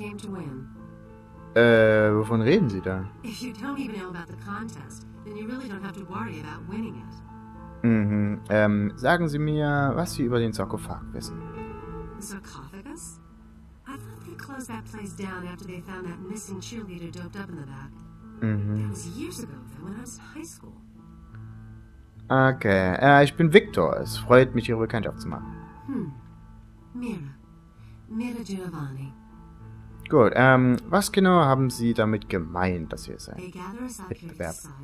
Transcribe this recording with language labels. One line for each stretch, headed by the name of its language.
English: Wovon reden Sie da? If you don't even know about the contest, then you really don't have to worry about winning it.
German: Sagen Sie mir, was Sie über den Sarkophag wissen.
English: The sarcophagus? I thought they closed that place down after they found that missing cheerleader doped up in the back. That was years ago, though, when I was in high school.
German: Okay, ich bin Victor. Es freut mich, Ihre Bekanntschaft zu machen. Mira. Mira Giovanni. Gut, was genau haben Sie damit gemeint, dass Sie es ein Wettbewerb?